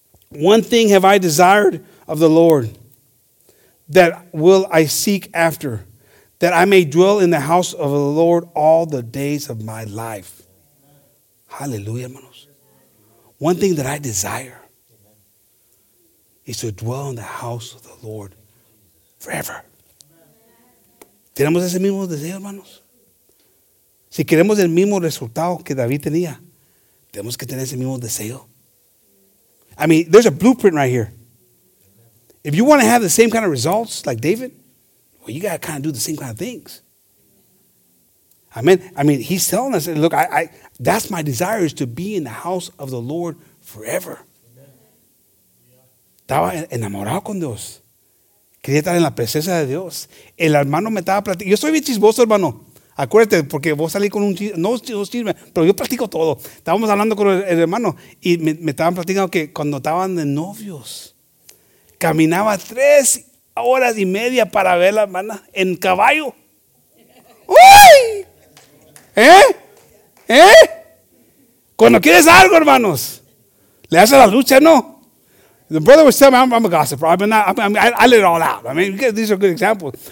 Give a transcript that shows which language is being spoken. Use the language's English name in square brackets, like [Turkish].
[English] One thing have I desired of the Lord, that will I seek after, that I may dwell in the house of the Lord all the days of my life. Hallelujah, hermanos. One thing that I desire is to dwell in the house of the Lord forever. [Spanish] ¿Tenemos ese mismo deseo, hermanos? Si queremos el mismo resultado que David tenía, tenemos que tener ese mismo deseo. [English] I mean, there's a blueprint right here. If you want to have the same kind of results like David, well, you got to kind of do the same kind of things. Amen. I mean, he's telling us, look, I that's my desire, is to be in the house of the Lord forever. [Spanish] Estaba enamorado con Dios. Quería estar en la presencia de Dios. El hermano me estaba platicando. Yo soy bien chismoso, hermano. Acuérdate, porque vos salí con un chisme. No, no chisme, pero yo platico todo. Estábamos hablando con el hermano y me estaban platicando que cuando estaban de novios, caminaba 3 horas y media para ver a la hermana en caballo. ¡Uy! ¿Eh? ¿Eh? Cuando quieres algo, hermanos, le haces la lucha, ¿no? [English] The brother was telling me, I'm a gossip, I let it all out. I mean, these are good examples.